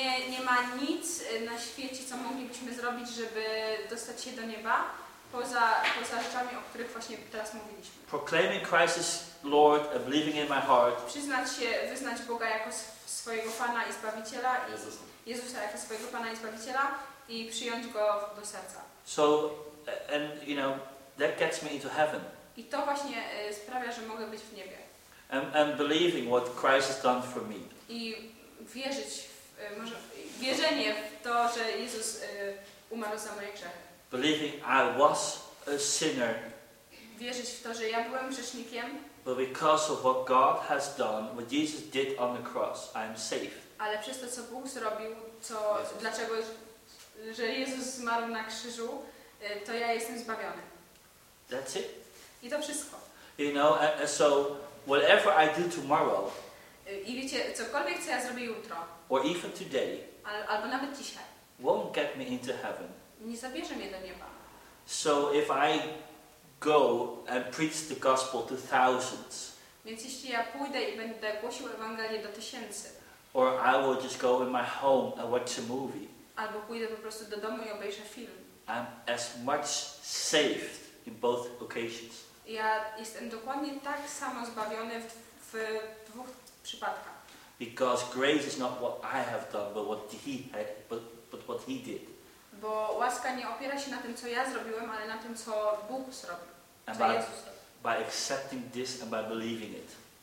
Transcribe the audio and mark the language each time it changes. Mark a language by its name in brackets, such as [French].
[Polish] Nie ma nic na świecie, co moglibyśmy zrobić, żeby dostać się do nieba, poza rzeczami, o których właśnie teraz mówiliśmy. [English] Proclaiming Christ as Lord and believing in my heart. [Polish] Przyznać się, wyznać Boga jako swojego Pana i Zbawiciela, Jezusa jako swojego Pana i Zbawiciela i przyjąć Go do serca. [English] So, and you know, that gets me into heaven. [Polish] I to właśnie sprawia, że mogę być w niebie. [English] And believing what Christ has done for me. [Polish] I wierzyć, wierzenie w to, że Jezus umarł za moje grzechy. [English] Believing I was a sinner. [Polish] Wierzyć w to, że ja byłem grzesznikiem. [English] But because of what God has done, what Jesus did on the cross, I am safe. [Polish] Ale przez to, co Bóg zrobił, co, dlaczego, że Jezus zmarł na krzyżu, to ja jestem zbawiony. [English] That's it. [Polish] I to wszystko. [English] You know, and so whatever I do tomorrow. [Polish] I wiecie, cokolwiek, co ja zrobię jutro. [English] Or even today. [Polish] Albo nawet dzisiaj. [English] Won't get me into heaven. [Polish] Nie zabierze mnie do nieba. [English] So if I go and preach the gospel to thousands. [Polish] Więc jeśli ja pójdę i będę głosił Ewangelię do tysięcy. [English] Or I will just go in my home and watch a movie. [Polish] Albo pójdę po prostu do domu i obejrzę film. [English] I'm as much saved in both occasions. [Polish] Ja jestem dokładnie tak samo zbawiony w dwóch przypadkach. [English] Because grace is not what I have done, but what He had, but what He did. [Polish] Bo łaska nie opiera się na tym, co ja zrobiłem, ale na tym, co Bóg zrobił, co Jezus zrobił. [English] By accepting this and by believing it.